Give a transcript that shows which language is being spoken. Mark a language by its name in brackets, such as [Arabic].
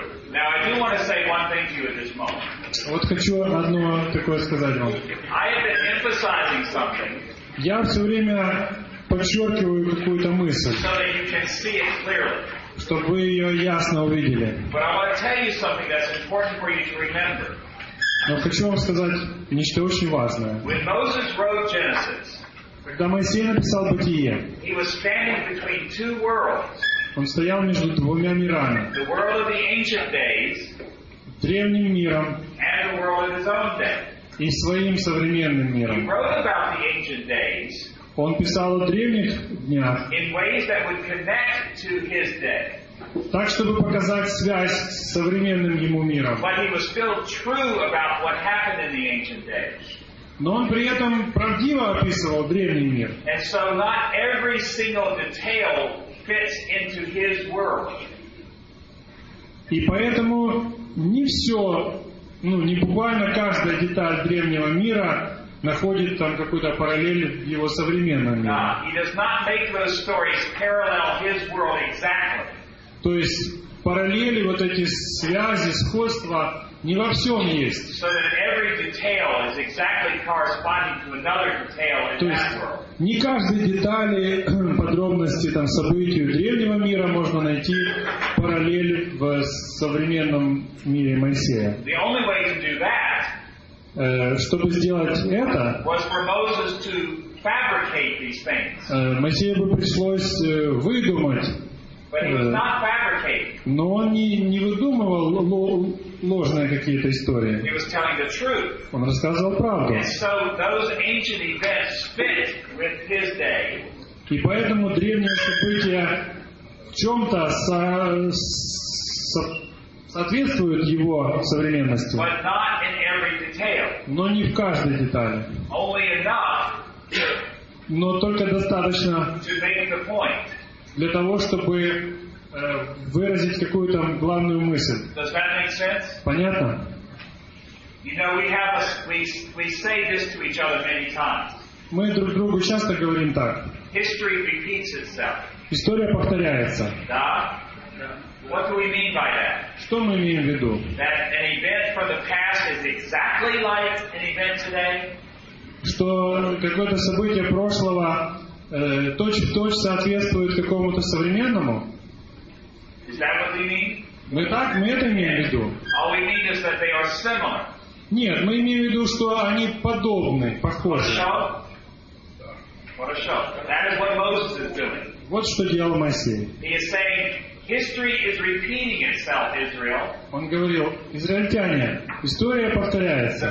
[English] Now I do want to say one thing to you at this moment. [Russian] Вот хочу одно такое сказать вам. [English] I have been emphasizing something. [Russian] Я все время подчеркиваю какую-то мысль. [English] So that you can see it clearly. [Russian] Чтобы вы ее ясно увидели. [English] But I want to tell you something that's important for you to remember. [Russian] Но хочу вам сказать нечто очень важное. [English] When Moses wrote Genesis. [Russian] Когда Моисей написал Бытие. [English] He was standing between two worlds. [Russian] Он стоял между двумя мирами. [English] The world of the ancient days, [Russian] древним миром [English] and the world of his own day. [Russian] И своим современным миром. [English] He wrote about the ancient days, [Russian] он писал о древних днях [English] in ways that would connect to his day. [Russian] Так, чтобы показать связь с современным ему миром. [English] But he was still true about what happened in the ancient days. [Russian] Но он при этом правдиво описывал древний мир. [English] And so not every single detail fits into his world. [Russian] И поэтому не все ну, не буквально каждая деталь древнего мира находит там какую-то параллель в его современном мире. [English] Exactly. [Russian] То есть параллели, вот эти связи, сходства не во всем есть. [English] So that every detail is exactly corresponding to another detail in that world. [Russian] Не каждой детали, подробности, там, событий древнего мира можно найти параллель в современном мире Моисея. [English] The only way to do that, [Russian] чтобы сделать это, [English] was for Moses to fabricate these things. [Russian] Моисею бы пришлось выдумать. [English] But he was not fabricating. [Russian] Но он не выдумывал ложные какие-то истории. [English] He was telling the truth. [Russian] Он рассказывал правду. [English] And so those ancient events fit with his day. [Russian] И поэтому древние события в чем-то соответствуют его современности. [English] But not in every detail. [Russian] Но не в каждой детали. [English] Only enough. [Russian] Но только достаточно. [English] To make the point. [Russian] Для того, чтобы выразить какую-то главную мысль. [English] Does that make sense? [Russian] Понятно? [English] You know, we say this to each other many times. [Russian] Мы друг другу часто говорим так. [English] History repeats itself. [Russian] История повторяется. Да? [English] What do we mean by that? [Russian] Что мы имеем в виду? [English] That an event from the past is exactly like an event today? [Russian] Что какое-то событие прошлого точь-в-точь соответствует какому-то современному? [English] Is that what we mean? [Russian] Мы это имеем в виду? [English] All we mean is that they are similar. [Russian] Нет, мы имеем в виду, что они подобны, похожи. [English] What a show. That is what Moses is doing. [Russian] Вот что делал Моисей. [English] He is saying, history is repeating itself, Israel. [Russian] Он говорил, израильтяне, история повторяется.